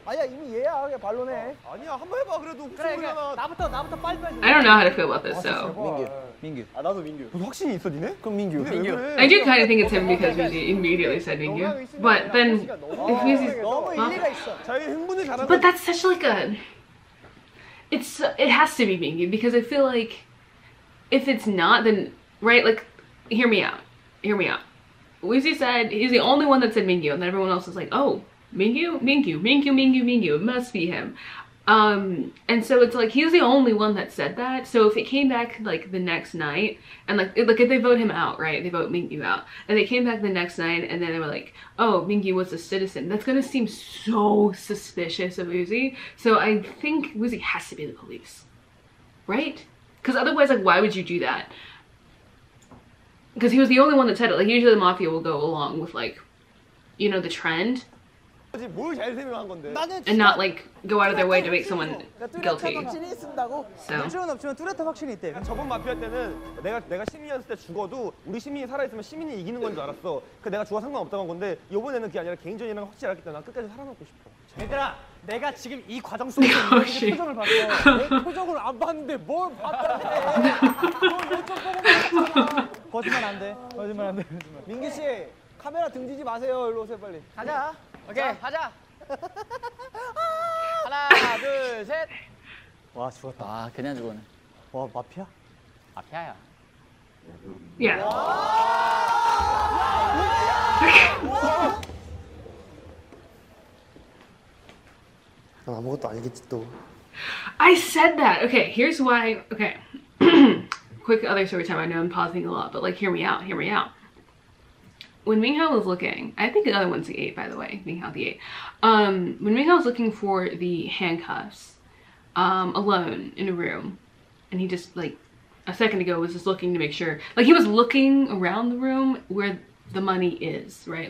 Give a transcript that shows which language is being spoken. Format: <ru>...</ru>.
<ko>아니야 이미 얘야 그냥 발론해. 아니야 한번 해봐 그래도 그래. 나부터 빨리.</ko> <en>I don't know how to feel about this. So</en> <ko>민규. 아 나도 민규. 확신이 있어 니네? 그럼 민규. 민규.</ko> <en>I do kind of think it's him because we immediately said 민규. But then if he's</en> <ko>너무 일리가 있어. 자기 흥분을 잘하는.</ko> <en>But that's such like a It has to be Mingyu because I feel like if it's not, then right, like, hear me out. Weezy said he's the only one that said Mingyu, and then everyone else is like, oh, Mingyu. It must be him. And so it's like he's the only one that said that. So if it came back like the next night, and like if they vote him out, right? They vote Mingyu out, and they came back the next night, and then they were like, oh, Mingyu was a citizen. That's gonna seem so suspicious of Uzi. So I think Uzi has to be the police, right? Because otherwise, like, why would you do that? Because he was the only one that said it. Like usually, the mafia will go along with like, you know, the trend.</en> <ko>뭘 잘 세명한 건데 나는</ko> <en>and not like go out of their way to make someone guilty.</en> <ko>확신이 있다고. 확신은 없지만 뚜렷한 확신이 있대. 저번 마피아 때는 내가 시민이었을 때 죽어도 우리 시민이 살아 있으면 시민이 이기는 건 줄 알았어. 그 내가 죽어 상관없다고 한 건데 이번에는 그게 아니라 개인전이라는 걸 확실히 알기 때문에 난 끝까지 살아남고 싶어. 얘들아, 내가 지금 이 과정 속에서 내 표정을 봤어. 내 표정을 안 봤는데 뭘 봤다는데? 뭘 못 쳐 보는 거잖아. 거짓말 안 돼. 거짓말 안 돼. 민규 씨, 카메라 등지지 마세요. 일로 오세요 빨리. 가자. 오케이 자. 가자. 하나 둘 셋. 와 죽었다. 아 그냥 죽었네. 와 마피아? 마피아야. 야. Yeah. 난 아무것도 아니겠지 또.</ko> <en>I said that. Okay, here's why. Okay, quick other story time. I know I'm pausing a lot, but like, hear me out. When Minghao was looking, I think the other one's the 8, by the way, Minghao the 8. When Minghao was looking for the handcuffs, alone in a room, and he just, like, a second ago was just looking to make sure, like, he was looking around the room where the money is, right?</en>